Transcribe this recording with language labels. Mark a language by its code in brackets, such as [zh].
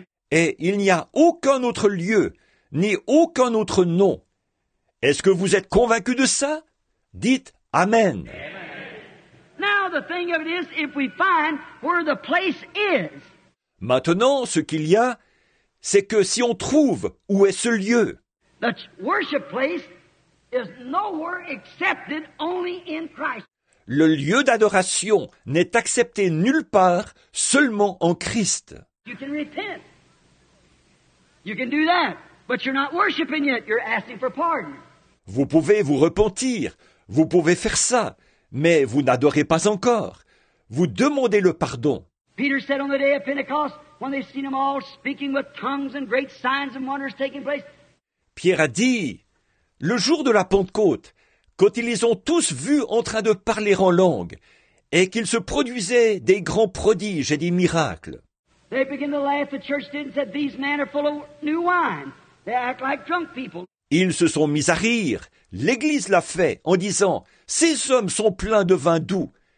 [fr] Et il n'y a aucun autre lieu, ni aucun autre nom. Est-ce que vous êtes convaincu de ça? Dites amen. [en] Now the thing of it is, if we find where the place is. [fr] Maintenant, ce qu'il y a, c'est que si on trouve où est ce lieu. [en] The worship place is nowhere accepted only in Christ. [fr] Le lieu d'adoration n'est accepté nulle part, seulement en Christ. [en] You can repent. You can do that, but you're not worshiping yet. You're asking for pardon. [fr] Vous pouvez vous repentir. Vous pouvez faire ça, mais vous n'adorez pas encore. Vous demandez le pardon. [en] Peter said on the day of Pentecost, when they've seen them all speaking with tongues and great signs and wonders taking place. [fr] Pierre a dit, le jour de la Pentecôte, quand ils les ont tous vus en train de parler en langue, et qu'il se produisait des grands prodiges et des miracles. [en] They began to laugh, the church did, and said, these men are full of new wine. They act like drunk people. [fr] Ils se sont mis à rire. L'Église l'a fait en disant, « Ces hommes sont pleins de vin doux.